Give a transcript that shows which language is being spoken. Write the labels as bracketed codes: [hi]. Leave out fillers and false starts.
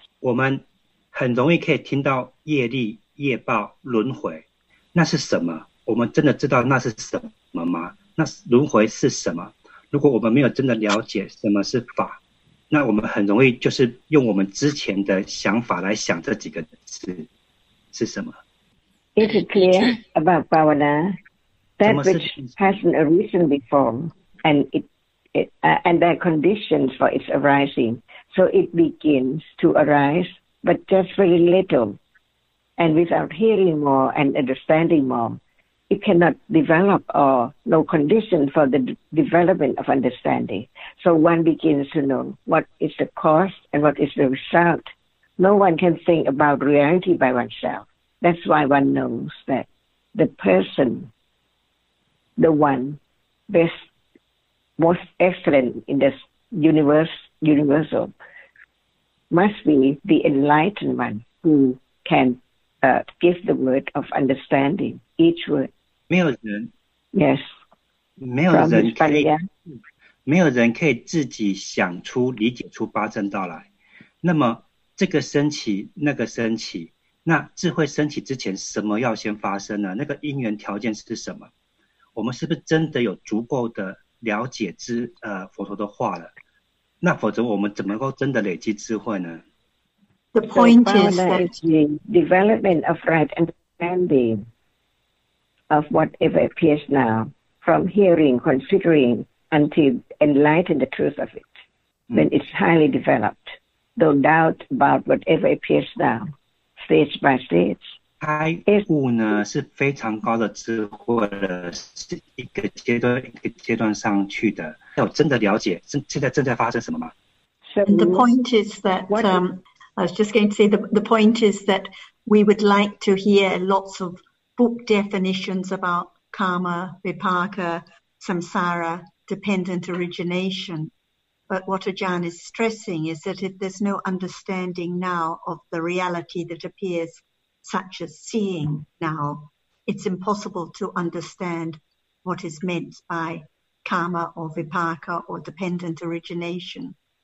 [zh] 我们很容易可以听到业力、业报、轮回，那是什么？我们真的知道那是什么吗？那轮回是什么？如果我们没有真的了解什么是法，那我们很容易就是用我们之前的想法来想这几个字是什么。 [en] Is it clear about bhavana? That which hasn't arisen before, and it, and there are conditions for its arising, so it begins to arise, but just very little, and without hearing more and understanding more. It cannot develop or no condition for the development of understanding. So one begins to know what is the cause and what is the result. No one can think about reality by oneself. That's why one knows that the person, the one, best, most excellent in this universe, universal, must be the enlightened one who can, give the word of understanding, each word. [zh] 没有人，yes，没有人可以，没有人可以自己想出、理解出八正道来。那么这个升起、那个升起，那智慧升起之前，什么要先发生呢？那个因缘条件是什么？我们是不是真的有足够的了解之佛陀的话了？那否则我们怎么能够真的累积智慧呢 [en] ？The point is that development of right understanding. Of whatever appears now, from hearing, considering, until enlightened the truth of it, when it's highly developed, though doubt about whatever appears now, stage by stage. [zh] 开悟呢是非常高的智慧了，是一个阶段一个阶段上去的。要真的了解现在发生什么吗 [en] ？And the point is that I was just going to say the point is that we would like to hear lots of. Book definitions about karma, vipaka, samsara, dependent origination. But what Ajahn is stressing is that if there's no understanding now of the reality that appears, such as seeing now, it's impossible to understand what is meant by karma or vipaka or dependent origination.